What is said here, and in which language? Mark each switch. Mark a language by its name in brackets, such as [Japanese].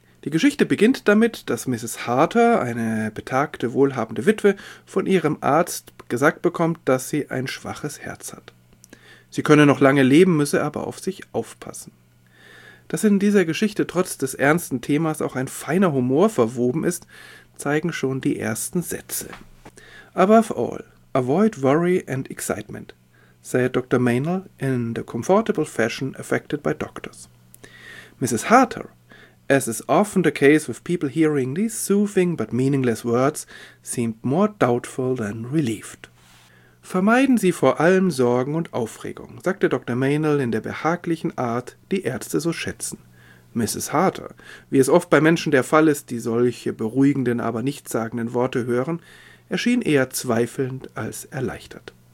[German] Die Geschichte beginnt damit, dass Mrs. Harter, eine betagte, wohlhabende Witwe, von ihrem Arzt gesagt bekommt, dass sie ein schwaches Herz hat. Sie könne noch lange leben, müsse aber auf sich aufpassen. Dass in dieser Geschichte trotz des ernsten Themas auch ein feiner Humor verwoben ist, zeigen schon die ersten Sätze. [English] Above all, avoid worry and excitement, said Dr. Meynell in the comfortable fashion affected by doctors. Mrs. Harter, as is often the case with people hearing these soothing but meaningless words, seemed more doubtful than relieved. [German] Vermeiden Sie vor allem Sorgen und Aufregung, sagte Dr. Meynell in der behaglichen Art, die Ärzte so schätzen. Mrs. Harter, wie es oft bei Menschen der Fall ist, die solche beruhigenden, aber nichtssagenden Worte hören, erschien eher zweifelnd als erleichtert.